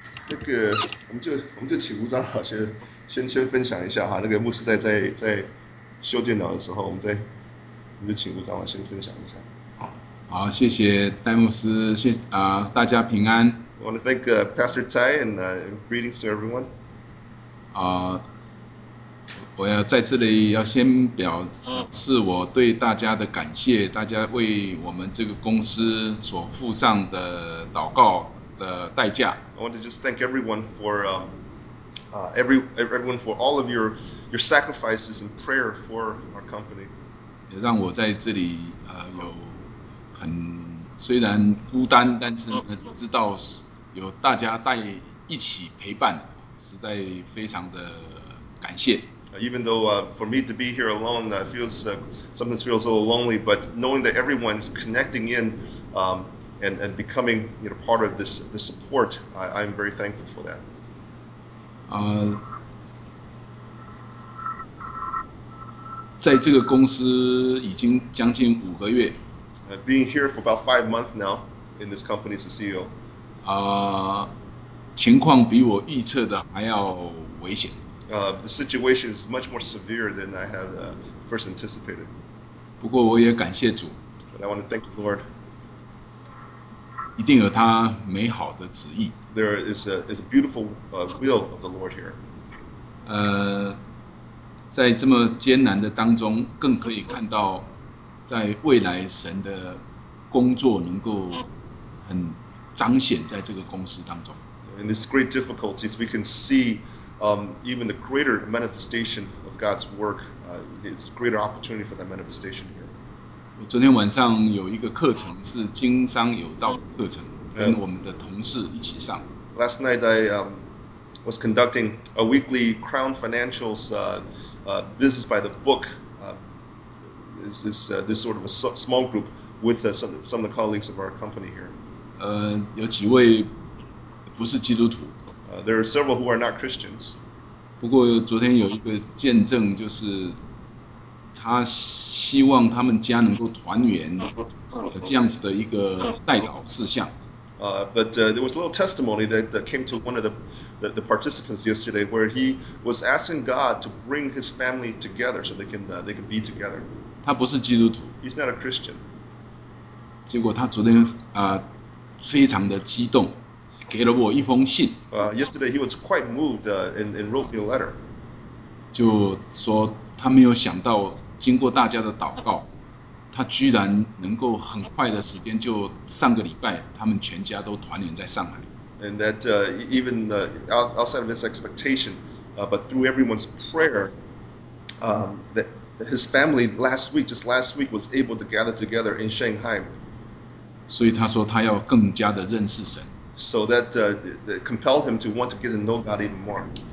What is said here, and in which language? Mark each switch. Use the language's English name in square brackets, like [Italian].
[Chinese] 那个我们就请吴长老先分享一下哈，那个牧师在修电脑的时候，我们就请吴长老先分享一下。好，谢谢戴牧师，谢谢大家平安。 [English] I want to thank Pastor Tai and greetings to everyone. [Chinese] 我要在这里要先表示我对大家的感谢，大家为我们这个公司所付上的祷告的代价。 [English] I want to just thank everyone for everyone for all of your sacrifices and prayer for our company. [Chinese] 也让我在这里有很虽然孤单，但是知道有大家在一起陪伴，实在非常的感谢。 [English] Even though for me to be here alone feels sometimes feels a little lonely, but knowing that everyone is connecting in and becoming part of this support, I'm very thankful for that. [Chinese] 在这个公司已经将近五个月。 [English] Being here for about 5 months now in this company as a CEO. [Chinese] 情况比我预测的还要危险。 [English] The situation is much more severe than I had first anticipated. [Chinese] 不过我也感谢主。 [English] But I want to thank the Lord. [Chinese] 一定有他美好的旨意。 [English] There is a beautiful will of the Lord here. [Chinese] 在这么艰难的当中，更可以看到在未来神的工作能够很彰显在这个公司当中。 [English] In this great difficulties, we can see even the greater manifestation of God's work. It's greater opportunity for that manifestation here. [Chinese] 我昨天晚上有一个课程是经商有道的课程，跟我们的同事一起上。 [English] Last night I was conducting a weekly Crown Financials business by the book. This sort of a small group with some of the colleagues of our company here. [Chinese] 有几位不是基督徒。 [English] There are several who are not Christians. [Chinese] 不过昨天有一个见证，就是他希望他们家能够团圆，这样子的一个代祷事项。 [English] There was a little testimony that came to one of the participants yesterday, where he was asking God to bring his family together so they can be together. [Chinese] 他不是基督徒。 [English] He's not a Christian. [Chinese] 结果他昨天非常的激动。给了我一封信。 [English] Yesterday he was quite moved and wrote me a letter. [Chinese] 就说他没有想到，经过大家的祷告，他居然能够很快的时间就上个礼拜，他们全家都团圆在上海。 [English] And that even outside of his expectation, but through everyone's prayer, that his family last week was able to gather together in Shanghai. [Chinese] 所以他说他要更加的认识神。 [English] So that compelled him to want to get to know God even more.